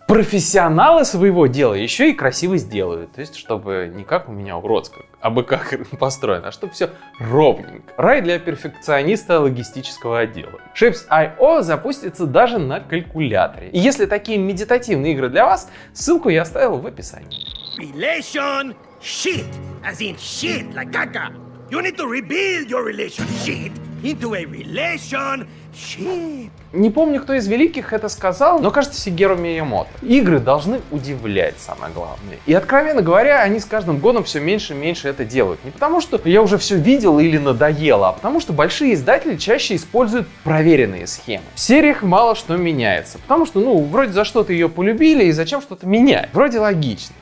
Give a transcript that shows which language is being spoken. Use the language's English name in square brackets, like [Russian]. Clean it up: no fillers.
[Russian] Профессионалы своего дела еще и красиво сделают. То есть, чтобы не как у меня уродская, а бы как построено, а чтобы все ровненько. Рай для перфекциониста логистического отдела. Shapes.io запустится даже на калькуляторе. И если такие медитативные игры для вас, ссылку я оставил в описании. [English] Relation shit, as in shit, like caca. You need to rebuild your relationship into a relation shit. [Russian] Не помню, кто из великих это сказал, но кажется, Сигеру Миямото. Игры должны удивлять, самое главное. И откровенно говоря, они с каждым годом все меньше и меньше это делают. Не потому, что я уже все видел или надоело, а потому, что большие издатели чаще используют проверенные схемы. В сериях мало что меняется, потому что, ну, вроде за что-то ее полюбили и зачем что-то менять. Вроде логично.